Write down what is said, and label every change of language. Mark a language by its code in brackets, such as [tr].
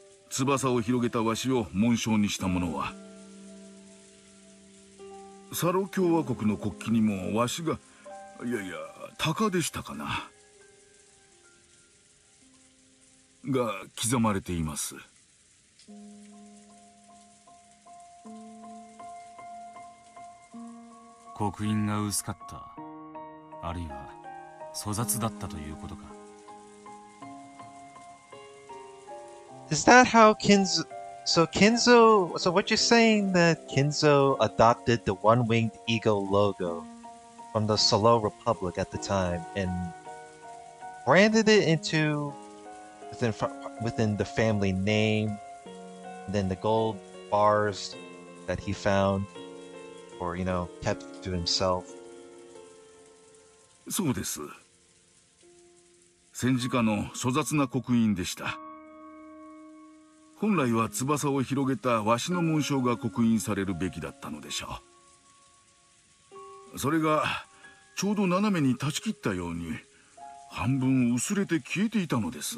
[ja] 翼を広げたわしを紋章にしたものは、サロ共和国の国旗にもわしが、いやいや鷹でしたかな、が刻まれています。刻印が薄かった、あるいは粗雑だったということか。 [en] Is that how Kinzo... So what you're saying that Kinzo adopted the one-winged eagle logo from the Solo Republic at the time and branded it into within the family name, and then the gold bars that he found or, you know, kept to himself? [ja] そうです。戦時下の粗雑な刻印でした。本来は翼を広げたわしの紋章が刻印されるべきだったのでしょう。それがちょうど斜めに断ち切ったように半分薄れて消えていたのです、